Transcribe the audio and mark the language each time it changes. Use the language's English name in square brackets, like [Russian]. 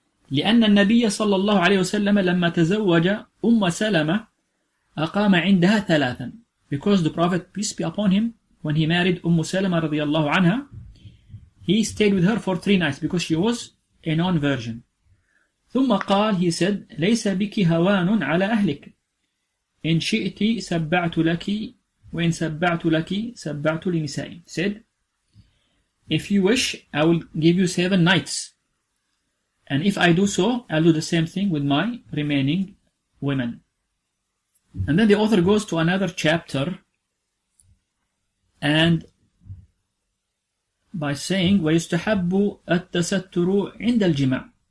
[Arabic] لأن النبي صلى الله عليه وسلم لما تزوج أم سلمة أقام عندها ثلاثا. [English] Because the Prophet, peace be upon him, when he married Umm Salama [Arabic] رضي الله عنها, [English] he stayed with her for 3 nights because she was a non-virgin. [Arabic] ثم قال, [English] he said, [Arabic] ليس بك هوان على أهلك إن شئت سبعت لك وإن سبعت لك سبعت لنساء. [English] Said, if you wish, I will give you 7 nights. And if I do so, I'll do the same thing with my remaining women. And then the author goes to another chapter and by saying, [Arabic] وَيُسْتَحَبُّ التَّسَتُّرُ عِنْدَ الْجِمَعِ.